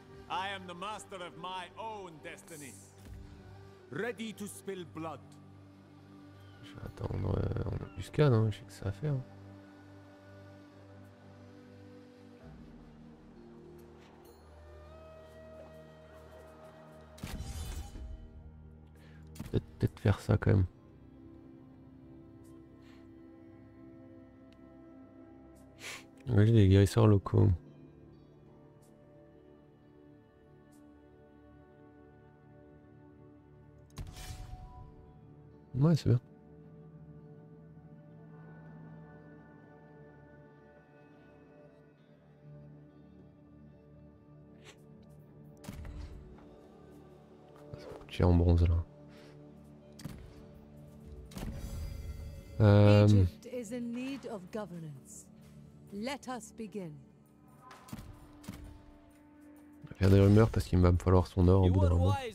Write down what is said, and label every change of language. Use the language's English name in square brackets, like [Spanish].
[English] I am the master of my own destiny. Ready to spill blood. [French] Je vais attendre en embuscade, hein, je sais que ça va faire. Peut-être faire ça quand même. Ouais, j'ai des guérisseurs locaux. Ouais, c'est bien. En bronze là. [English] Egypt is in need of governance. Let us begin. [French] faire des rumeurs parce qu'il va me falloir son or au bout d'un moment.